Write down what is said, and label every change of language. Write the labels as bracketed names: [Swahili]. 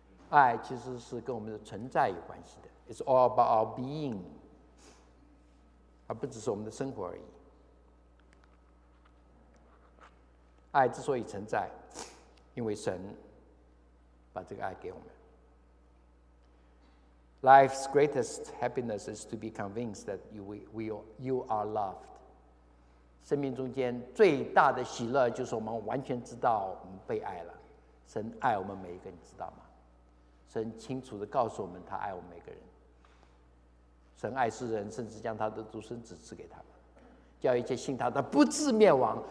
[Chinese] 爱其实是跟我们的存在有关系的， [English] It's all about our being。 [Chinese] 而不只是我们的生活而已。爱之所以存在，因为神把这个爱给我们。 [English] Life's greatest happiness is to be convinced that you are loved. [Chinese] 生命中间最大的喜乐就是我们完全知道我们被爱了。神爱我们每一个人，你知道吗？神清楚地告诉我们，他爱我们每个人。神爱世人，甚至将他的独生子赐给他们，叫一切信他的不至灭亡。